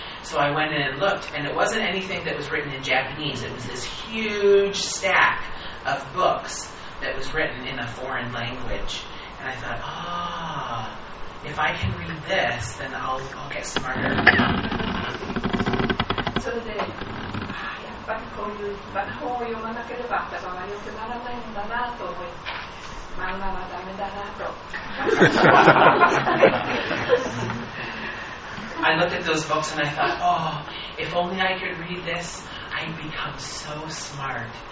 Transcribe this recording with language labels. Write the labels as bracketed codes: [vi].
[en] So I went in and looked, and it wasn't anything that was written in Japanese. It was this huge stack of books that was written in a foreign language. And I thought, ah, if I can read this, then I'll get smarter. So then, ah, yeah, [ja] ぱりこういう本を読まなければ頭が良くならないんだなと思い、漫画はダメだなと。 [en] I looked at those books and I thought, oh, if only I could read this, I'd become so smart.